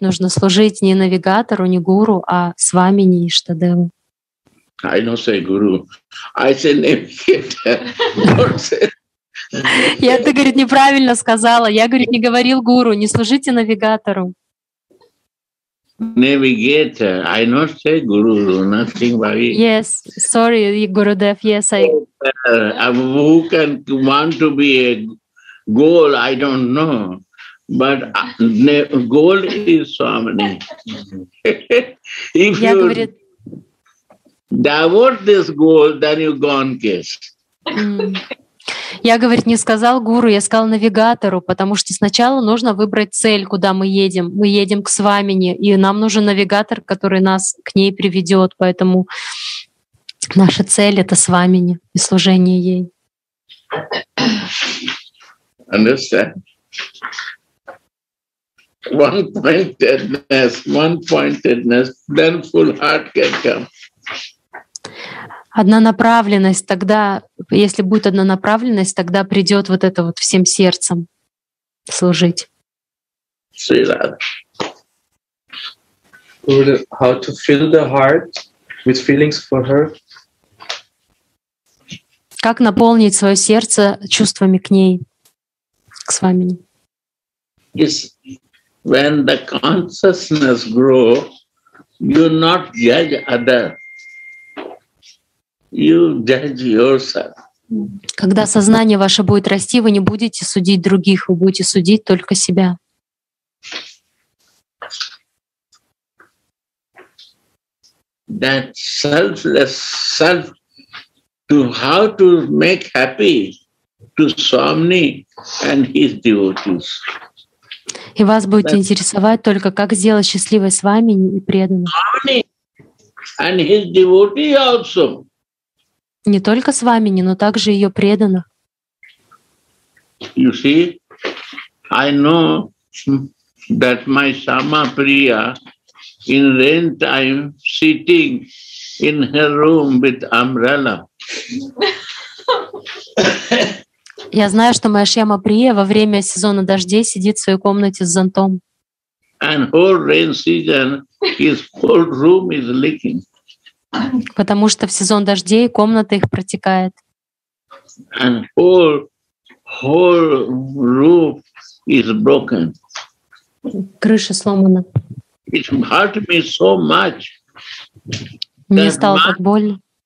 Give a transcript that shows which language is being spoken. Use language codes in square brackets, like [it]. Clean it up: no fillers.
[ru] Нужно служить не навигатору, не гуру, а с вами не Иштадеву. [en] I don't say guru. I say navigator. Don't say, [ru] Я, ты, говорит, неправильно сказала. Я, говорит, не говорил гуру, не служите навигатору. [en] Navigator, I not say guru, nothing by it. Yes, sorry, Gurudev, yes, I... Who can want to be a goal, I don't know. But goal is Swamini. If you divert this goal, then you gone case. [ru] Я, говорит, не сказал гуру, я сказал навигатору, потому что сначала нужно выбрать цель, куда мы едем. Мы едем к Свамине, и нам нужен навигатор, который нас к ней приведет. Поэтому наша цель — это Свамине и служение ей. [en] Understand? One-pointedness, then full heart can come. [ru] Одна направленность, тогда, если будет одна направленность, тогда придет вот это вот всем сердцем служить. [en] Sri Radha. How to fill the heart with feelings for her? [ru] Как наполнить свое сердце чувствами к ней, к Свамине? [en] Yes. When the consciousness grows, you not judge others. You judge yourself. [ru] Когда сознание ваше будет расти, вы не будете судить других, вы будете судить только себя. [en] That selfless self, to how to make happy to Swami and his devotees. [ru] И вас будет интересовать только, как сделать счастливой Свами и преданных. [en] Swami and his devotee also. [ru] Не только с вами, но также ее преданных. [en] You see, I know that my Sama Priya in rain time sitting in her room with umbrella. [ru] Я знаю, что моя Шьяма Прия во время сезона дождей сидит в своей комнате с зонтом. [en] And whole rain season, his whole room is leaking. [ru] Потому что в сезон дождей комната их протекает. [en] And whole roof is broken. [ru] Крыша сломана. [en] It hurt me so much. [ru] Мне стало так больно.